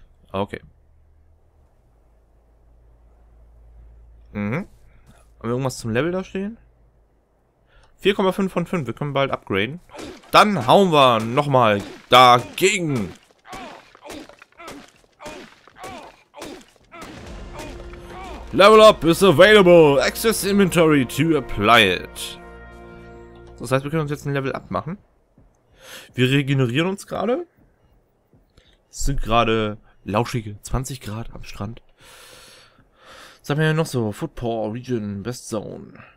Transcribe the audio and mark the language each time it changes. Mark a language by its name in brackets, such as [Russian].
[German] Okay. Haben wir irgendwas zum Level da stehen? 4,5 von 5. Wir können bald upgraden. Dann hauen wir nochmal dagegen. [English] Level up is available. Access inventory to apply it. [German] Das heißt, wir können uns jetzt ein Level-Up machen. Wir regenerieren uns gerade. Es sind gerade lauschige 20 Grad am Strand. Was haben wir denn noch so? [English] Football, Region, Best Zone.